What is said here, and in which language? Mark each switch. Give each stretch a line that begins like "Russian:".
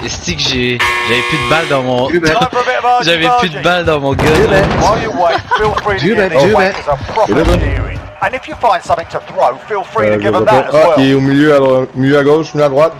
French: Est-ce que j'avais plus de balles dans mon... J'avais plus de balles dans mon gun, man. Du bet.
English: And if you find something to throw, feel free to give them that as well.
French: Ah, il est au milieu, alors, mieux à gauche, mieux à droite.